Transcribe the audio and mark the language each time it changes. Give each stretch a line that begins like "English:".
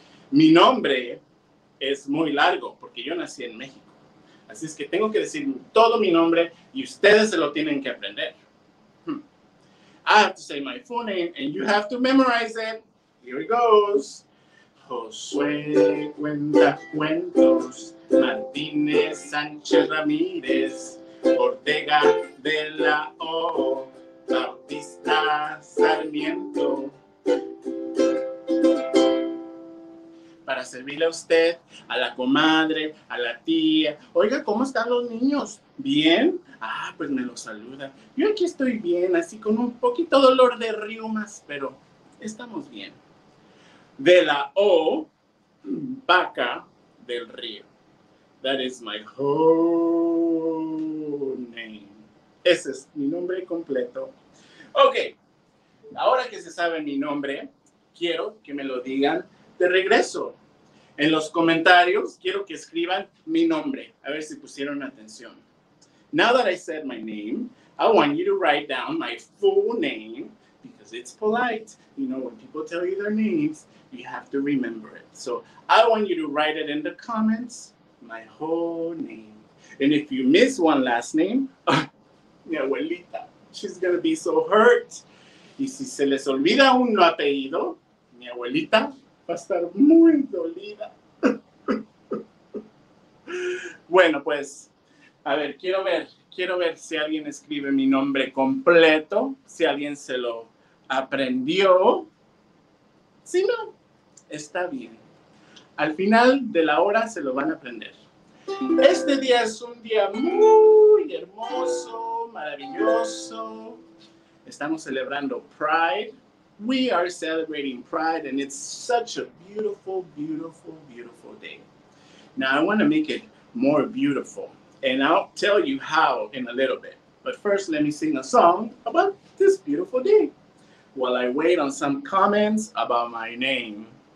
Spanish: Mi nombre es muy largo porque yo nací en México. Así es que tengo que decir todo mi nombre y ustedes se lo tienen que aprender.
English: I have to say my full name and you have to memorize it. Here it goes. Josué Cuenta Cuentos, Martínez Sánchez Ramírez, Ortega de la O, Bautista Sarmiento.
Spanish: Para servirle a usted, a la comadre, a la tía. Oiga, ¿cómo están los niños? ¿Bien? Ah, pues me lo saluda. Yo aquí estoy bien, así con un poquito dolor de riumas, pero estamos bien. De la O, vaca del río.
English: That is my whole name.
Spanish: Ese es mi nombre completo. Ok, ahora que se sabe mi nombre, quiero que me lo digan de regreso. En los comentarios, quiero que escriban mi nombre. A ver si pusieron atención.
English: Now that I said my name, I want you to write down my full name because it's polite. You know, when people tell you their names, you have to remember it. So I want you to write it in the comments, my whole name. And if you miss one last name,
Spanish: mi abuelita,
English: she's gonna be so hurt.
Spanish: Y si se les olvida un apellido, mi abuelita va a estar muy dolida. Bueno, pues, a ver, quiero ver si alguien escribe mi nombre completo, si alguien se lo aprendió. Si no, está bien. Al final de la hora se lo van a aprender. Este día es un día muy hermoso, maravilloso. Estamos celebrando Pride.
English: We are celebrating Pride, and it's such a beautiful, beautiful, beautiful day. Now, I want to make it more beautiful, and I'll tell you how in a little bit. But first, let me sing a song about this beautiful day while I wait on some comments about my name.